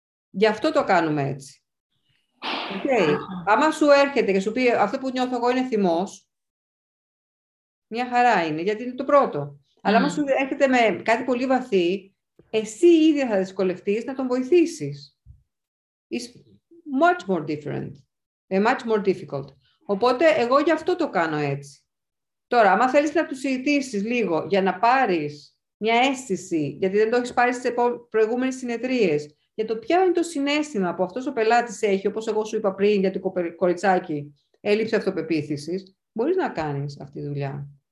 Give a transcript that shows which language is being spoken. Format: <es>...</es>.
<el>Γι' αυτό το κάνουμε έτσι. Okay. Άμα σου έρχεται και σου πει αυτό που νιώθω εγώ είναι θυμός, μια χαρά είναι, γιατί είναι το πρώτο. Αλλά άμα σου έρχεται με κάτι πολύ βαθύ, εσύ ίδια θα δυσκολευτείς να τον βοηθήσεις.</el> <en>It's much more different. Much more difficult.</en> <el>Οπότε, εγώ γι' αυτό το κάνω έτσι. Τώρα, άμα θέλεις να τους συζητήσεις λίγο για να πάρεις μια αίσθηση, γιατί δεν το έχεις πάρει στις προηγούμενες συνεδρίες, για το ποιο είναι το συνέστημα που αυτός ο πελάτης έχει, όπως εγώ σου είπα πριν για το κοριτσάκι, έλλειψη αυτοπεποίθησης, μπορείς να κάνεις αυτή τη δουλειά.</el>